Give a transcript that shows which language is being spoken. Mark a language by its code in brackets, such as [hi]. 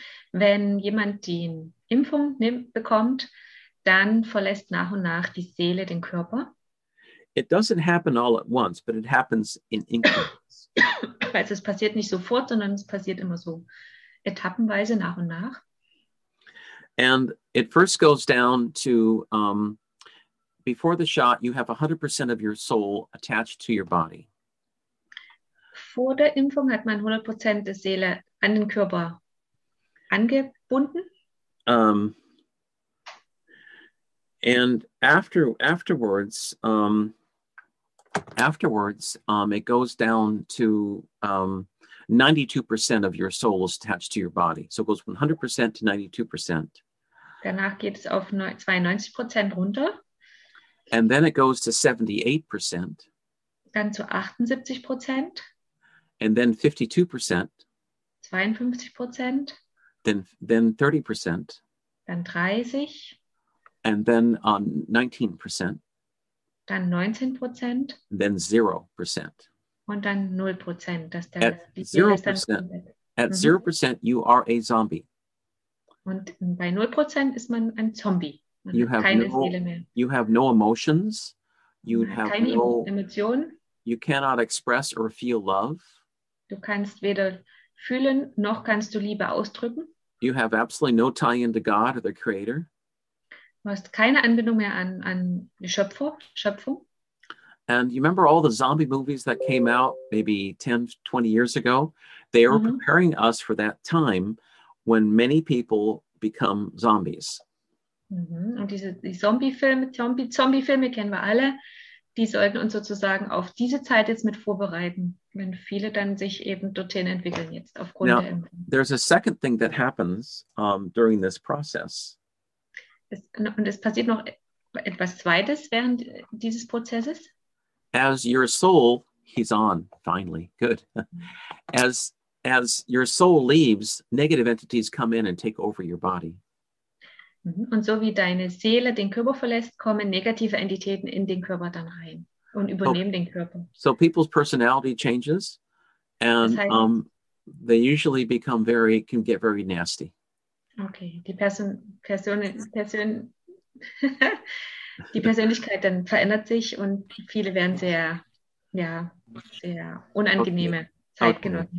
[de] Wenn jemand die Impfung bekommt, dann verlässt nach und nach die Seele den Körper. [en] It doesn't happen all at once, but it happens in increments. [de] Also es passiert nicht sofort, sondern es passiert immer so etappenweise nach und nach. [en] And it first goes down to, before the shot, you have 100% of your soul attached to your body. [de] Vor der Impfung hat man 100% der Seele an den Körper angebunden. [en] And afterwards, it goes down to 92% of your soul is attached to your body. So it goes 100% to 92%. [de] Danach geht es auf 92% runter. [en] And then it goes to 78%. [de] Dann zu 78%. [en] And then 52%. [de] 52%. [en] Then 30%. [de] Dann 30. [en] And then 19%. [de] Dann 19%. [en] Then 0%. [de] Und dann 0%. [en] At 0%, at 0% you are a zombie. [de] Und bei 0% ist man ein Zombie. Man [en] you have [de] keine [en] no, [de] Seele mehr. [en] You have no emotions. You have [de] keine [en] no, [de] Emotionen. [en] You cannot express or feel love. [de] Du kannst weder fühlen, noch kannst du Liebe ausdrücken. [en] You have absolutely no tie into God or the Creator. [de] Du hast keine Anbindung mehr an die Schöpfung. [en] And you remember all the zombie movies that came out maybe 10, 20 years ago? They were preparing us for that time when many people become zombies. [de] Und diese Zombie-Filme kennen wir alle. Die sollten uns sozusagen auf diese Zeit jetzt mit vorbereiten, wenn viele dann sich eben dorthin entwickeln jetzt aufgrund [en] Now, [de] der Impfung. [en] There's a second thing that happens during this process. [de] Es passiert noch etwas Zweites während dieses Prozesses. [en] As your soul, he's on, finally, good. As your soul leaves, negative entities come in and take over your body. [de] Und so wie deine Seele den Körper verlässt, kommen negative Entitäten in den Körper dann rein und übernehmen den Körper. [en] So people's personality changes and [de] das heißt, [en] they usually become very, can get very nasty. [de] Okay, die Persönlichkeit dann verändert sich und viele werden sehr, ja, sehr unangenehme Zeitgenossen.